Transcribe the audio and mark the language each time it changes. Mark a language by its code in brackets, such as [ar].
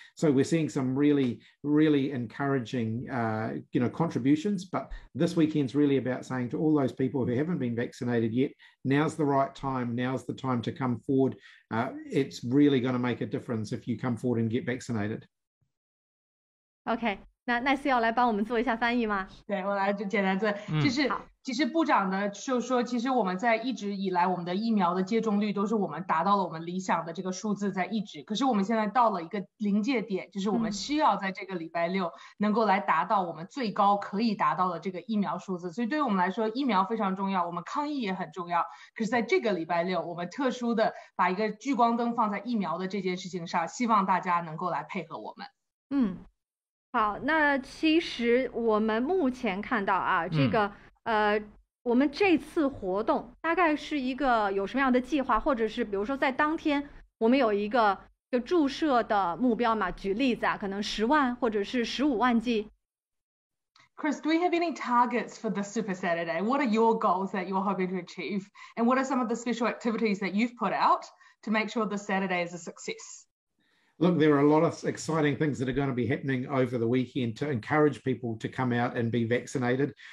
[en] So we're seeing some really, really encouraging, contributions. But this weekend's really about saying to all those people who haven't been vaccinated yet, now's the right time. Now's the time to come forward. It's really going to make a difference if you come forward and get vaccinated. Okay. [zh] 那奈斯要来帮我们做一下翻译吗？对，我来简单做。其实部长呢就说，其实我们在一直以来我们的疫苗的接种率都是我们达到了我们理想的这个数字在一直，可是我们现在到了一个临界点，就是我们需要在这个礼拜六能够来达到我们最高可以达到的这个疫苗数字。所以对于我们来说，疫苗非常重要，我们抗疫也很重要，可是在这个礼拜六我们特殊的把一个聚光灯放在疫苗的这件事情上，希望大家能够来配合我们。好，那其实我们目前看到啊，这个我们这次活动大概是一个有什么样的计划，或者是比如说在当天我们有一个注射的目标嘛？举例子啊，可能10万或者是15万剂。 [en] Chris, do we have any targets for this Super Saturday? What are your goals that you're hoping to achieve? And what are some of the special activities that you've put out to make sure this Saturday is a success? Look, there are a lot of exciting things that are going to be happening over the weekend to encourage people to come out and be vaccinated.